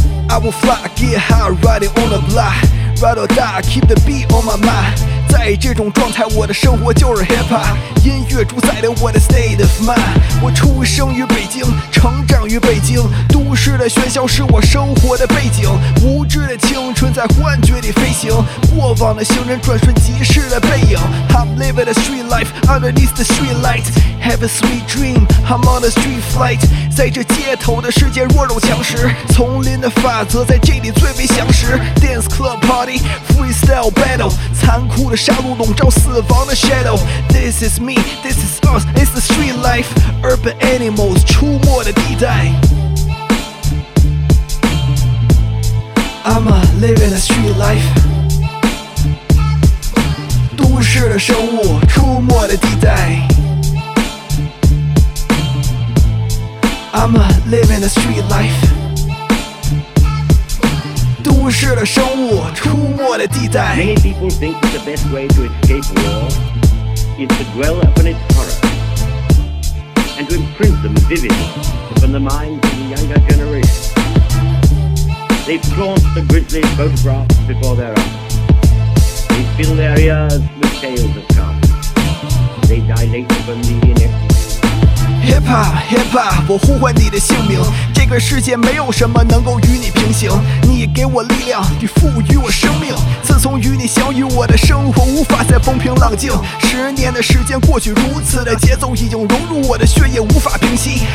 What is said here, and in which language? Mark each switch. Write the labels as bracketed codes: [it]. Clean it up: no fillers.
[en] I will fly, get high, ride it on the block. Ride or die, keep the beat on my mind. [zh] 在这种状态，我的生活就是 hip hop。音乐主宰了我的 [en] state of mind。 [zh] 我出生于北京，成长于北京，都市的喧嚣是我生活的背景。无知的青春在幻觉里飞行，过往的行人转瞬即逝的背影。 [en] I'm living the street life underneath the street light. Have a sweet dream, I'm on a street flight. [zh] 在这街头的世界弱肉强食，丛林的法则在这里最为详实。 [en] Dance club party, freestyle battle, [zh] 残酷。杀戮笼罩死亡的 shadow。 [en] This is me, this is us, it's the street life. Urban animals [zh] 出没的地带。 [en] I'm a living the street life. [zh] 都市的生物出没的地带。 [en] I'm a living the street life. [zh] 都市的生物出没。 [en] Many people think that the best way to escape war is to dwell upon its horror and to imprint them vividly upon the minds of the younger generation. They flaunt the grisly photographs before their eyes. They fill their ears with tales of carnage. They dilate upon the ineptitude. [zh] Hip-hop, 我呼唤你的姓名。这个世界没有什么能够与你平行，你给我力量，你赋予我生命。自从与你相遇，我的生活无法再风平浪静。十年的时间过去，如此的节奏已经融入我的血液，无法平息。